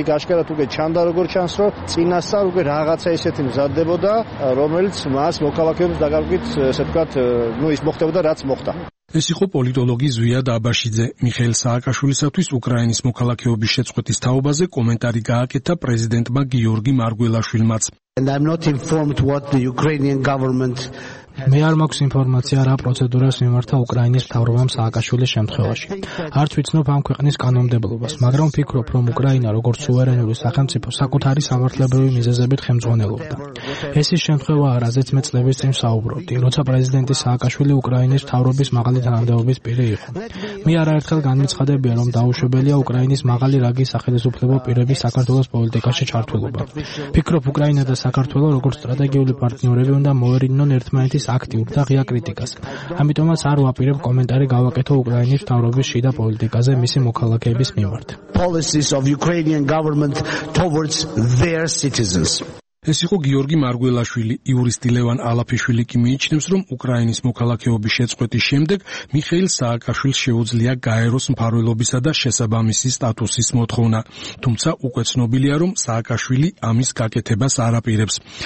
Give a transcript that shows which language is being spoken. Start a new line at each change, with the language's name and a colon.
Georgian: იქ აშკარად უკვე ჩანდა როგორ ჩანს, რომ წინასწარ უკვე რაღაცა ისეთი მზადდებოდა, რომელიც მას მოქალაქეობის დაკარგვით, ესე ვთქვათ, ნუ ის მოხდებოდა, რაც მოხდა. ეს იყო პოლიტოლოგი ზვიად აბაშიძე. მიხეილ სააკაშვილისათვის უკრაინის მოქალაქეობის შეწყვეტის თაობაზე კომენტარი გააკეთა პრეზიდენტმა გიორგი მარგველაშვილმაც.
English: And I'm not informed what the Ukrainian government
Georgian: მე არ მაქვს ინფორმაცია რა პროცედურას მიმართა უკრაინის მთავრობამ სააკაშვილის შემთხვევაში. არც ვიცნობ ამ ქვეყნის კანონმდებლობას, მაგრამ ვფიქრობ, რომ უკრაინა როგორც სუვერენული სახელმწიფო საკუთარი სამართლებრივი მიზეზებით ხელმძღვანელობდა. ეს ის შემთხვევა არა, ზედ მე წლების წინ საუბრობდი, როცა პრეზიდენტი სააკაშვილი უკრაინის მთავრობის მაღალი თანამდებობის პირი იყო. მე არაერთხელ განმცხადებია, რომ დაუშვებელია უკრაინის მაღალი რაგის სახელმწიფო პირების საქართველოს პოლიტიკაში ჩართულობა. ვფიქრობ, უკრაინა და საქართველო როგორც სტრატეგიული პარტნიორები უნდა მოერიდნონ ერთმანეთს აქტიურ და ღია კრიტიკას. ამიტომაც არ ვაპირებ კომენტარი გავაკეთო უკრაინის მთავრობის შიდა პოლიტიკაზე მისი მოქალაქეების მიმართ.
English: Policies of Ukrainian government towards their citizens.
Georgian: ეს იყო გიორგი მარგველაშვილი. იურისტი ლევან ალაფიშვილი კი მიიჩნევს, რომ უკრაინის მოქალაქეობის შეწყვეტის შემდეგ მიხეილ სააკაშვილს შეუძლია გაეროს მფარველობისა და შესაბამისი სტატუსის მოთხოვნა, თუმცა უკვე ცნობილია, რომ სააკაშვილი ამის გაკეთებას არ აპირებს.